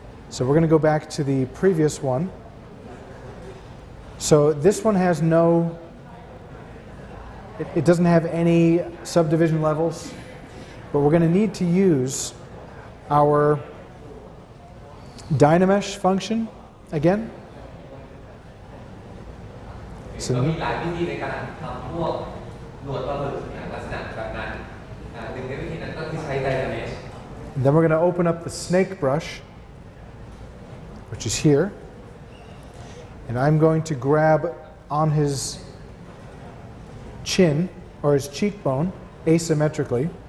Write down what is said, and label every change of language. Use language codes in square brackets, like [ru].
[en] So we're going to go back to the previous one. So this one has no, it doesn't have any subdivision levels, but we're going to need to use our Dynamesh function again. So [th] มีหลายวิธีในการทำพวกหนวดปลาบึกเนี่ยลักษณะแบบนั้นหนึ่งในวิธีนั้นก็คือใช้ Dynamesh [en] Then we're going to open up the snake brush which is here and I'm going to grab on his chin or his cheekbone asymmetrically